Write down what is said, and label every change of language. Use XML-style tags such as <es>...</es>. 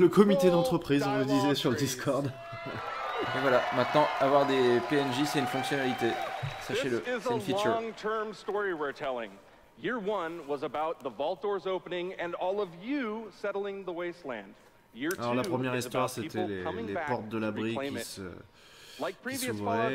<fr>Le comité d'entreprise, on le disait sur le Discord. Et voilà, maintenant, avoir des PNJ, c'est une fonctionnalité. Sachez-le, c'est une feature.</fr> <en>Long-term story we're telling. Year one was about the vault doors opening and all of you settling the wasteland. Year two,</en> <fr>alors la première histoire, c'était les portes de l'abri qui s'ouvraient.</fr>